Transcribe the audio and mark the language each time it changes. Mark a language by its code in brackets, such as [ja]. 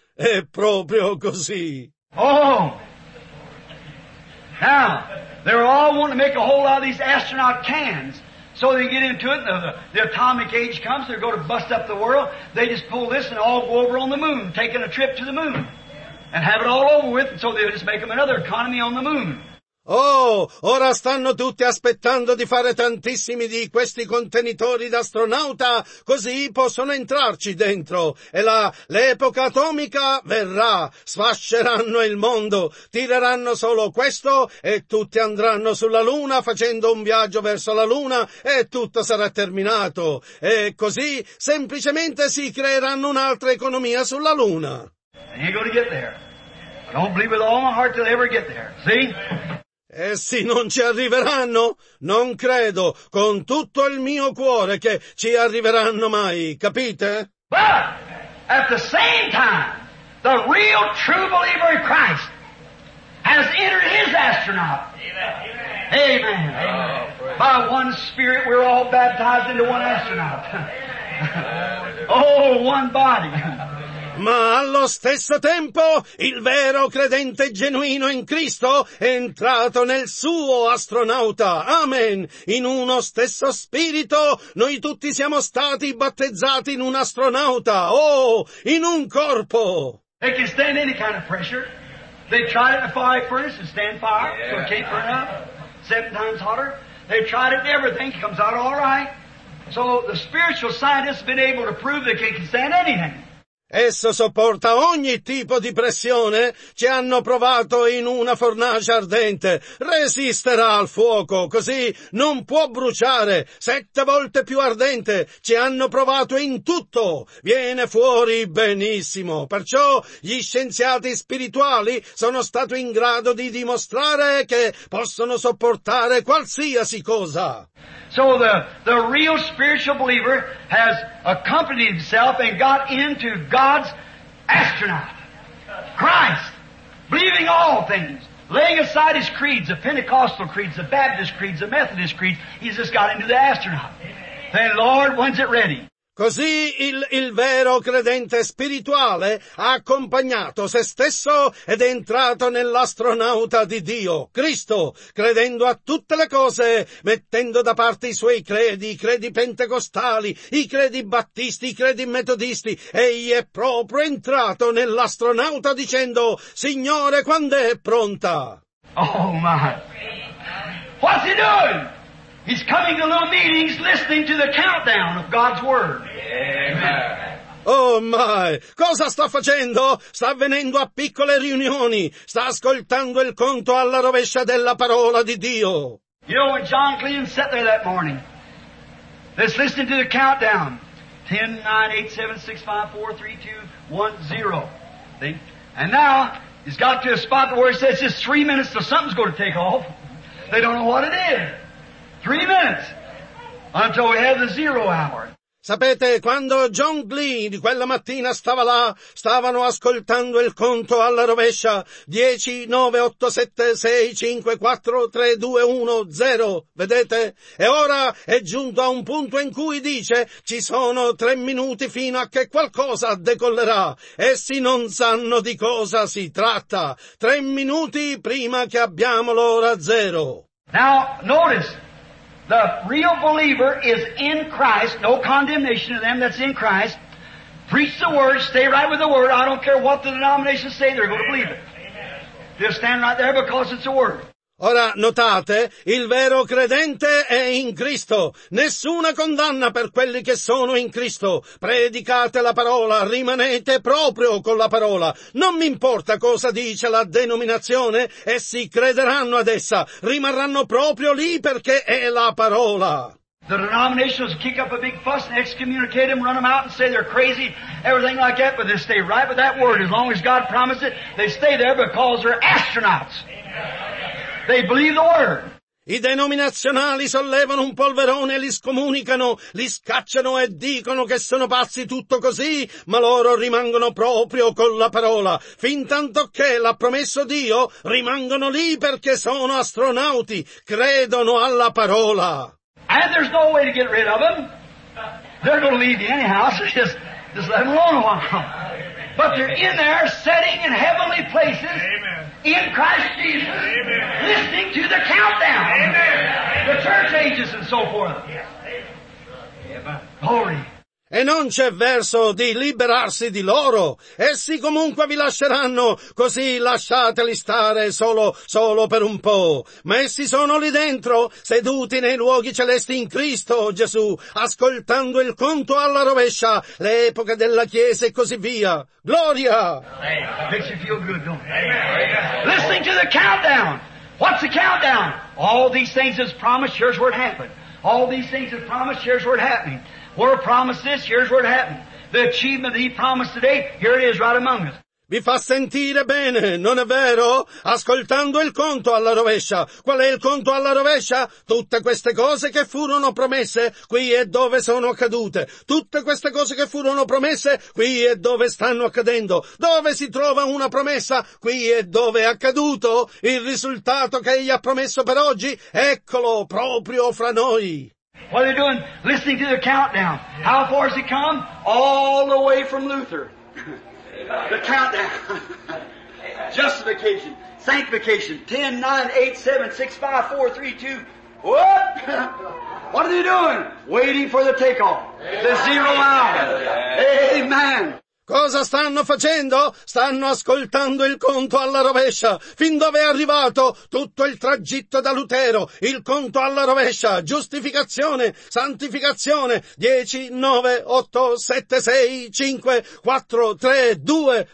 [it] È proprio così. [en] Oh, now, they're all wanting to make a whole lot of these astronaut cans, so they get into it, the atomic age comes, they're going to bust up the world, they just pull this and all go over on the moon, taking a trip to the moon, and have it all over with, and so they'll just make them another economy on the moon. [it] Oh, ora stanno tutti aspettando di fare tantissimi di questi contenitori d'astronauta, così possono entrarci dentro. E là, l'epoca atomica verrà, sfasceranno il mondo, tireranno solo questo e tutti andranno sulla Luna facendo un viaggio verso la Luna e tutto sarà terminato. E così, semplicemente si creeranno un'altra economia sulla Luna. [en] And you're gonna get there. I don't believe with all my heart they'll ever get there. See? [it] Essi non ci arriveranno? Non credo, con tutto il mio cuore, che ci arriveranno mai, capite? [en] But, at the same time, the real true believer in Christ has entered his astronaut. Amen. Amen. Amen. By one spirit we're all baptized into one astronaut. Oh, one body. [it] Ma allo stesso tempo il vero credente genuino in Cristo è entrato nel suo astronauta. Amen. In uno stesso spirito noi tutti siamo stati battezzati in un astronauta. Oh, in un corpo. [en] They can stand any kind of pressure. They tried it in a fire furnace and stand fire, so it can't burn up. 7 times hotter. They tried it in everything. It comes out all right. So the spiritual scientists have been able to prove that they can stand anything. [it] Esso sopporta ogni tipo di pressione. Ci hanno provato in una fornace ardente. Resisterà al fuoco, così non può bruciare. 7 volte più ardente. Ci hanno provato in tutto. Viene fuori benissimo. Perciò gli scienziati spirituali sono stati in grado di dimostrare che possono sopportare qualsiasi cosa. [en] So the real spiritual believer has accompanied himself and got into God's astronaut, Christ, believing all things, laying aside his creeds, the Pentecostal creeds, the Baptist creeds, the Methodist creeds. He's just got into the astronaut. Then, Lord, when's it ready? [it] Così il vero credente spirituale ha accompagnato se stesso ed è entrato nell'astronauta di Dio, Cristo, credendo a tutte le cose, mettendo da parte i suoi credi, i credi pentecostali, i credi battisti, i credi metodisti. Egli è proprio entrato nell'astronauta dicendo: Signore, quando è pronta? [en] Oh my! What's he doing? He's coming to little meetings listening to the countdown of God's Word. Amen. Oh my! [it] Cosa sta facendo? Sta venendo a piccole riunioni. Sta ascoltando il conto alla rovescia della parola di Dio. [en] You know when John Glenn sat there that morning? Let's listen to the countdown. 10, 9, 8, 7, 6, 5, 4, 3, 2, 1, 0. See? And now, he's got to a spot where he says, just 3 minutes till something's going to take off. They don't know what it is. 3 minutes until we have the zero hour. [it] Sapete, quando John Glenn quella mattina stava là, stavano ascoltando il conto alla rovescia. 10, 9, 8, 7, 6, 5, 4, 3, 2, 1, 0. Vedete? E ora è giunto a un punto in cui dice ci sono 3 minuti fino a che qualcosa decollerà. Essi non sanno di cosa si tratta. 3 minuti prima che abbiamo l'ora zero. [en] Now, notice. The real believer is in Christ, no condemnation to them that's in Christ. Preach the word, stay right with the word. I don't care what the denominations say, they're going to believe it. They'll stand right there because it's the word. [it] Ora notate, il vero credente è in Cristo. Nessuna condanna per quelli che sono in Cristo. Predicate la parola, rimanete proprio con la parola. Non mi importa cosa dice la denominazione, essi crederanno ad essa. Rimarranno proprio lì perché è la parola. [en] The denominations kick up a big fuss and excommunicate them, run them out and say they're crazy, everything like that, but they stay right with that word. As long as God promised it, they stay there because they're astronauts. They believe the word. I denominazionali sollevano un polverone, li scomunicano, li scacciano e dicono che sono pazzi tutto così, ma loro rimangono proprio con la parola. Fin tanto che l'ha promesso Dio, rimangono lì perché sono astronauti, credono alla parola. And there's no way to get rid of them. They're going to leave you anyhow, so just let them alone a while. But they're in there, sitting in heavenly places. Amen. In Christ Jesus, amen. Listening to the countdown, amen. The church ages and so forth. Amen. Glory. [it] E non c'è verso di liberarsi di loro. Essi comunque vi lasceranno, così lasciateli stare solo per un po'. Ma essi sono lì dentro, seduti nei luoghi celesti in Cristo Gesù, ascoltando il conto alla rovescia, l'epoca della Chiesa e così via. Gloria! [en] Makes you feel good, don't you? Listening to the countdown. What's the countdown? All these things is promised, here's where it happened. All these things is promised, here's where it happened. We're promised this, here's what happened. The achievement that he promised today, here it is right among us. [it] Vi fa sentire bene, non è vero? Ascoltando il conto alla rovescia. Qual è il conto alla rovescia? Tutte queste cose che furono promesse, qui è dove sono accadute. Tutte queste cose che furono promesse, qui è dove stanno accadendo. Dove si trova una promessa, qui è dove è accaduto. Il risultato che egli ha promesso per oggi, eccolo proprio fra noi. [en] What are they doing? Listening to the countdown. How far has he come? All the way from Luther. The countdown. Justification. Sanctification. 10, 9, 8, 7, 6, 5, 4, 3, 2. What? What are they doing? Waiting for the takeoff. The zero hour. Amen. [it] Cosa stanno facendo? Stanno ascoltando il conto alla rovescia. Fin dove è arrivato? Tutto il tragitto da Lutero. Il conto alla rovescia. Giustificazione. Santificazione. 10, 9, 8, 7, 6, 5, 4, 3, 2.